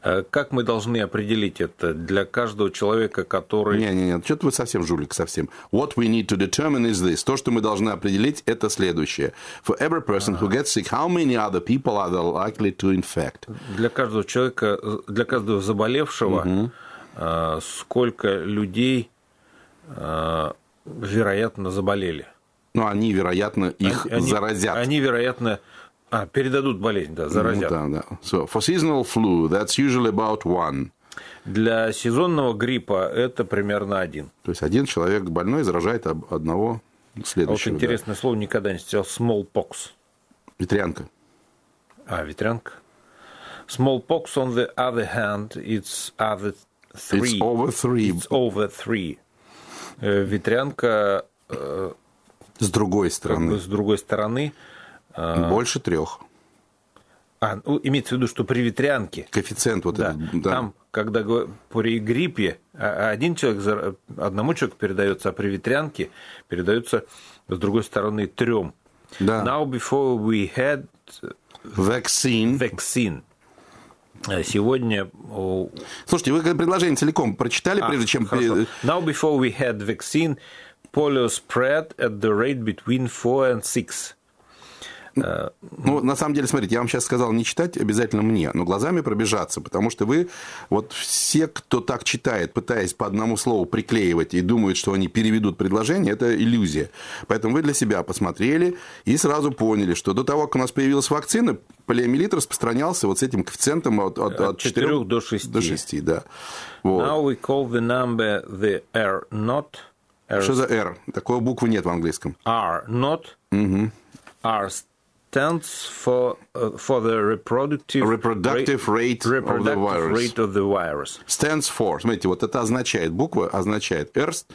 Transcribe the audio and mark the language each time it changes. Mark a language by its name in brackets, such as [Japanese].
[Russian] Как мы должны определить это для каждого человека, который... Не-не-не, что-то вы совсем жулик, совсем. [English] What we need to determine is this. [Russian] То, что мы должны определить, это следующее. [English] For every person who gets sick, how many other people are likely to infect? [Russian] Для каждого человека, для каждого заболевшего, сколько людей... вероятно, заболели. Ну, они, вероятно, их они, заразят. Они, вероятно, передадут болезнь, да, заразят. Ну, да. [English] So, for seasonal flu, that's usually about one. [Russian] Для сезонного гриппа это примерно один. То есть один человек больной заражает одного следующего. Вот интересное слово, никогда не встречал. [English] Smallpox. [Russian] Ветрянка. А, ветрянка. [English] Smallpox, on the other hand, it's other three. It's over three. It's over three. Ветрянка [Russian] с другой стороны. Как бы, с другой стороны. Больше трех. А, ну, имеется в виду, что при ветрянке. Коэффициент вот да, этот. Да. Там, когда при гриппе один человек, одному человеку передается, а при ветрянке передается с другой стороны трем. Да. [English] Now before we had vaccine. [Russian] Сегодня... Слушайте, вы предложение целиком прочитали, прежде чем... Хорошо. [English] Now, before we had vaccine, polio spread at the rate between 4 and 6. [Russian] Ну, на самом деле, смотрите, я вам сейчас сказал не читать обязательно мне, но глазами пробежаться, потому что вы, вот все, кто так читает, пытаясь по одному слову приклеивать и думают, что они переведут предложение, это иллюзия. Поэтому вы для себя посмотрели и сразу поняли, что до того, как у нас появилась вакцина, полиомиелит распространялся вот с этим коэффициентом от 4 до 6. До 6, да. Вот. [English] Now we call the number the R-naught. [Russian] Что за R? Такой буквы нет в английском. [English] R-naught. R stands for the reproductive rate of the virus. Stands for. [Russian] Смотрите, вот это означает, буква означает R.